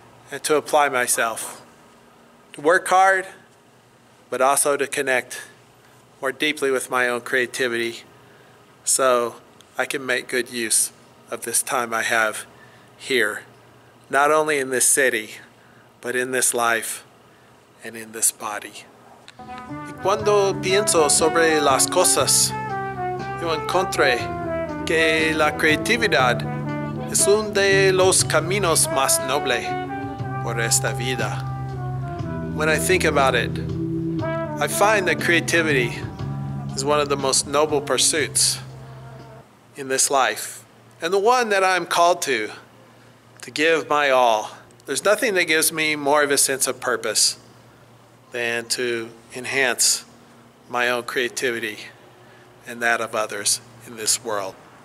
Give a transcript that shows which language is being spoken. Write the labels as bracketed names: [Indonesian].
[English] and to apply myself, to work hard, but also to connect more deeply with my own creativity so I can make good use of this time I have here, not only in this city, but in this life and in this body. [Spanish] Y cuando pienso sobre las cosas, yo encontré que la creatividad es uno de los caminos más nobles por esta vida. [English] When I think about it, I find that creativity is one of the most noble pursuits in this life, and the one that I'm called to give my all. There's nothing that gives me more of a sense of purpose than to enhance my own creativity and that of others in this world.